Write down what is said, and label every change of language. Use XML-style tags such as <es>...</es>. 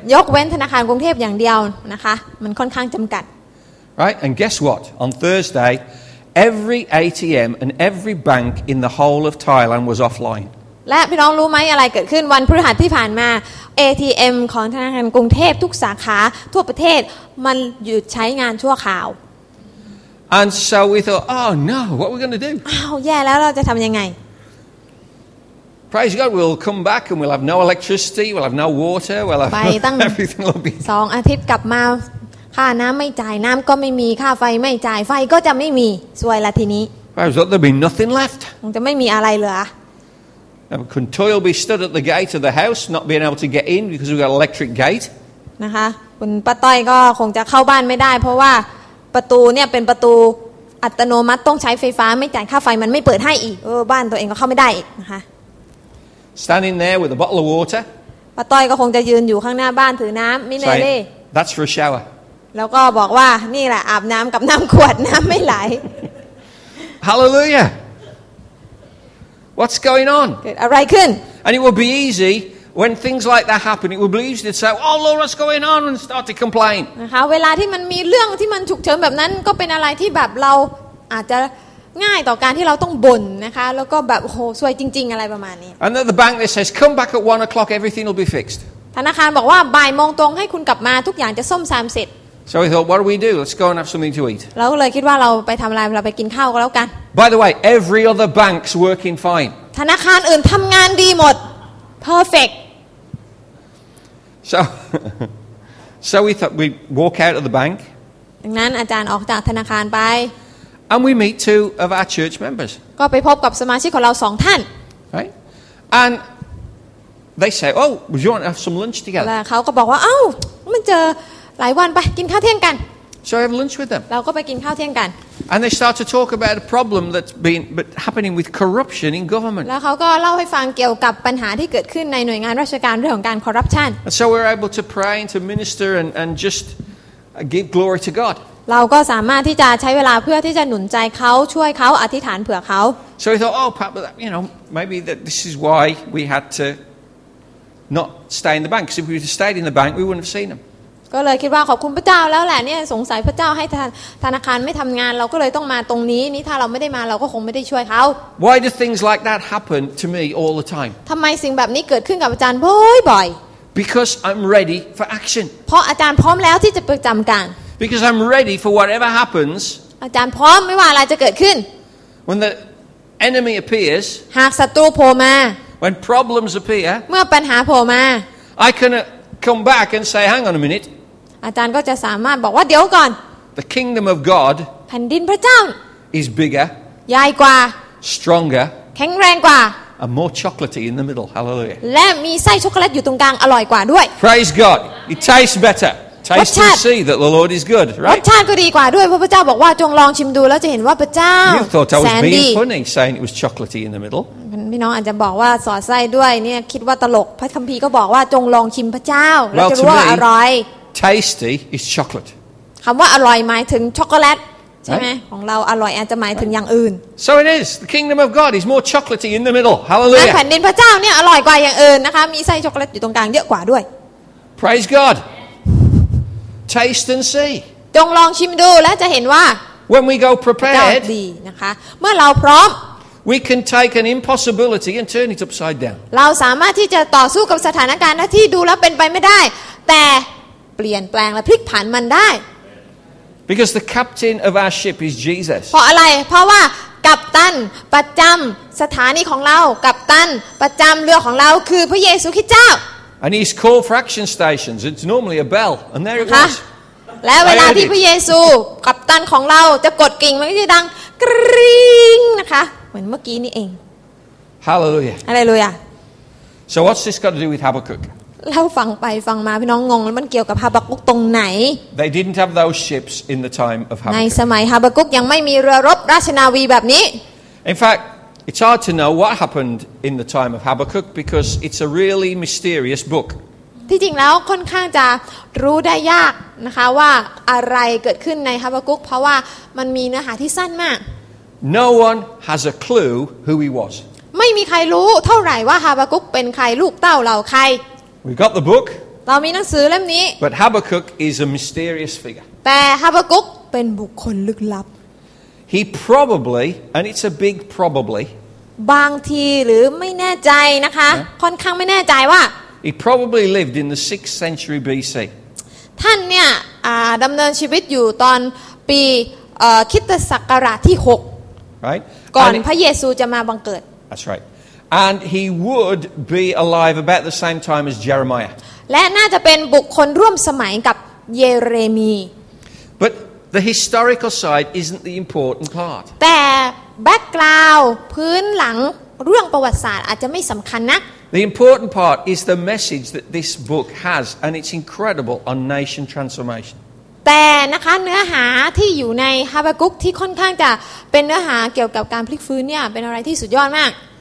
<th>ยกเว้นธนาคารกรุงเทพอย่างเดียวนะคะมันค่อนข้างจำกัด</th> <en>Right, and guess what? On Thursday, every ATM and every bank in the whole of Thailand was offline.</en> <th>และพี่น้องรู้ไหมอะไรเกิดขึ้นวันพฤหัสที่ผ่านมา ATM ของธนาคารกรุงเทพทุกสาขาทั่วประเทศมันหยุดใช้งานชั่วคราว</th> <en>And so we thought, oh no, what are we going to do?</en> <th>อ้าวแย่แล้วเราจะทำยังไง</th> <en>Praise God, we'll come back and we'll have no electricity, we'll have no water, we'll have everything will be.</en> <th>สองอาทิตย์กลับมาค่าน้ำไม่จ่ายน้ำก็ไม่มีค่าไฟไม่จ่ายไฟก็จะไม่มีสวยละทีนี้</th> <en>Right, so there'll be nothing left</en> <th>คงจะไม่มีอะไรเหลือ</th> <en>Now, Kuntoy will be stood at the gate of the house not being able to get in because we've got electric gate</en> <th>นะคะคุณป้าต้อยก็คงจะเข้าบ้านไม่ได้เพราะว่าประตูเนี่ยเป็นประตูอัตโนมัติต้องใช้ไฟฟ้าไม่จ่ายค่าไฟมันไม่เปิดให้อีกบ้านตัวเองก็เข้าไม่ได้อีกนะคะ</th> <en>Standing there with a bottle of water</en> <th>ป้าต้อยก็คงจะยืนอยู่ข้างหน้าบ้านถือน้ำมิเนเล่</th> <en>That's for a shower</en> <th>แล้วก็บอกว่านี่แหละอาบน้ำกับน้ำขวดน้ำไม่ไหล</th> <en>ฮาเลลูยา What's going on</en> <th>อะไรขึ้น</th> <en>And it will be easy when things like that happen it will be easy to say oh Lord what's going on and start to complain</en> <th>นะคะเวลาที่มันมีเรื่องที่มันฉุกเฉินแบบนั้นก็เป็นอะไรที่แบบเราอาจจะง่ายต่อการที่เราต้องบ่นนะคะแล้วก็แบบโอ้โหซวยจริงๆอะไรประมาณนี้</th> <en>And the bank says come back at 1 o'clock everything will be fixed</en> <th>ธนาคารบอกว่าบ่ายโมงตรงให้คุณกลับมาทุกอย่างจะซ่อมแซมเสร็จ</th> <en>So we thought, what do? Let's go and have something to eat.</en> <th>เราก็เลยคิดว่าเราไปทำอะไรเราไปกินข้าวก็แล้วกัน</th> <en>By the way, every other bank's working fine.</en> <th>ธนาคารอื่นทำงานดีหมด perfect.</th> <en>So we thought we'd walk out of the bank.</en> <th>ดังนั้นอาจารย์ออกจากธนาคารไป</th> <en>And we meet two of our church members.</en> <th>ก็ไปพบกับสมาชิกของเราสองท่าน</th> <en>Right? And they say, oh, would you want to have some lunch together?</en> <th>แล้วเขาก็บอกว่าเอ้ามันเจอหลายวันไปกินข้าวเที่ยงกัน</th> <en>So I have lunch with them.</en> <th>เราก็ไปกินข้าวเที่ยงกัน</th> <en>And they start to talk about a problem that's been happening with corruption in government.</en> <th>แล้วเขาก็เล่าให้ฟังเกี่ยวกับปัญหาที่เกิดขึ้นในหน่วยงานราชการเรื่องการคอร์รัปชัน</th> <en>So we're able to pray and to minister and just give glory to God.</en> <th>เราก็สามารถที่จะใช้เวลาเพื่อที่จะหนุนใจเขาช่วยเขาอธิษฐานเผื่อเขา</th> <en>So we thought, oh, perhaps, you know, maybe that this is why we had to not stay in the bank. Because if we had stayed in the bank, we wouldn't have seen them.</en> <th>ก็เลยคิดว่าขอบคุณพระเจ้าแล้วแหละเนี่ยสงสัยพระเจ้าให้ธนาคารไม่ทำงานเราก็เลยต้องมาตรงนี้นี่ถ้าเราไม่ได้มาเราก็คงไม่ได้ช่วยเขา</th> <en>Why do things like that happen to me all the time</en> <th>ทำไมสิ่งแบบนี้เกิดขึ้นกับอาจารย์บ่อย</th> <en>ๆ Because I'm ready for action</en> <th>เพราะอาจารย์พร้อมแล้วที่จะประจำการ</th> <en>Because I'm ready for whatever happens</en> <th>อาจารย์พร้อมไม่ว่าอะไรจะเกิดขึ้น</th> <en>When the enemy appears</en> <th>หากศัตรูโผล่มา</th> <en>When problems appear</en> <th>เมื่อปัญหาโผล่มา</th> <en>I can come back and say hang on a minute</en> <th>อาจารย์ก็จะสามารถบอกว่าเดี๋ยวก่อน</th> <en>The kingdom of God</en> <th>แผ่นดินพระเจ้า</th> <en>is bigger</en> <th>ใหญ่กว่า</th> <en>stronger</en> <th>แข็งแรงกว่า</th> <en>and more chocolatey in the middle hallelujah</en> <th>และมีไส้ช็อกโกแลตอยู่ตรงกลางอร่อยกว่าด้วย</th> <en>Praise God it tastes better taste and see that the Lord is good right</en> <th>รสชาติก็ดีกว่าด้วยเพราะพระเจ้าบอกว่าจงลองชิมดูแล้วจะเห็นว่าพระเจ้า แสนดี</th> <en>You thought I was being funny saying it was chocolatey in the middle</en> <th>พี่น้องอาจจะบอกว่าสอดไส้ด้วยเนี่ยคิดว่าตลกพระคัมภีร์ก็บอกว่าจงลองชิมพระเจ้าแล้วจะรู้ว่าอร่อย</th> <en>Tasty is chocolate.</en> <th>คำว่าอร่อยหมายถึงช็อกโกแลตใช่ไหมของเราอร่อยอาจจะหมายถึงอย่างอื่น</th> <en>So it is. The kingdom of God is more chocolatey in the middle. Hallelujah.</en> <th>แผ่นดินพระเจ้าเนี่ยอร่อยกว่าอย่างอื่นนะคะมีไส้ช็อกโกแลตอยู่ตรงกลางเยอะกว่าด้วย</th> <en>Praise God. Taste and see.</en> <th>จงลองชิมดูและจะเห็นว่า</th> <en>When we go prepared,</en> <th>ดีนะคะเมื่อเราพร้อม</th> <en>We can take an impossibility and turn it upside down.</en> <th>เราสามารถที่จะต่อสู้กับสถานการณ์ที่ดูแล้วเป็นไปไม่ได้แต่เปลี่ยนแปลงและพลิกผันมันได้</th> <en>Because the captain of our ship is Jesus</en> <th>เพราะอะไรเพราะว่ากัปตันประจําสถานีของเรากัปตันประจําเรือของเราคือพระเยซูคริสต์เจ้า</th> <en>And he's called for action stations it's normally a bell and there it was</en> <th>และเวลาที่พระเยซูกัปตันของเราจะกดกริ่งมันก็จะดังกริ่งนะคะเหมือนเมื่อกี้นี่เอง</th> <en>Hallelujah Hallelujah So what's this got to do with Habakkuk</en> <th>เราฟังไปฟังมาพี่น้องงงแล้วมันเกี่ยวกับฮาบักกุกตรงไหน</th> <en>They didn't have those ships in the time of Habakkuk</en> <th>ในสมัยฮาบักกุกยังไม่มีเรือรบราชนาวีแบบนี้</th> <en>In fact it's hard to know what happened in the time of Habakkuk because it's a really mysterious book</en> <th>ที่จริงแล้วค่อนข้างจะรู้ได้ยากนะคะว่าอะไรเกิดขึ้นในฮาบักกุกเพราะว่ามันมีเนื้อหาที่สั้นมาก</th> <en>No one has a clue who he was</en> <th>ไม่มีใครรู้เท่าไหร่ว่าฮาบักกุกเป็นใครลูกเต้าเหล่าใคร</th> <en>We got the book.</en> <th>เรามีหนังสือเล่มนี้</th> <en>But Habakkuk is a mysterious figure.</en> <th>แต่ฮาบักกุกเป็นบุคคลลึกลับ</th> <en>He probably, and it's a big probably.</en> <th>บางทีหรือไม่แน่ใจนะคะค่อนข้างไม่แน่ใจว่า</th> <en>He probably lived in the 6th century BC.</en> <th>ท่านเนี่ยดำเนินชีวิตอยู่ตอนปีคริสตศักราชที่6</th> <en>Right.</en> <th>ก่อนพระเยซูจะมาบังเกิด</th> <en>That's right. And he would be alive about the same time as Jeremiah.</en> <th>และน่าจะเป็นบุคคลร่วมสมัยกับเยเรมี</th> <en>But the historical side isn't the important part.</en> <th>แต่ background พื้นหลังเรื่องประวัติศาสตร์อาจจะไม่สำคัญนัก</th> <en>The important part is the message that this book has, and it's incredible on nation transformation.</en> <th>แต่นะคะเนื้อหาที่อยู่ในฮาบากุกที่ค่อนข้างจะเป็นเนื้อหาเกี่ยวกับการพลิกฟื้นเนี่ยเป็นอะไรที่สุดยอดมาก</th>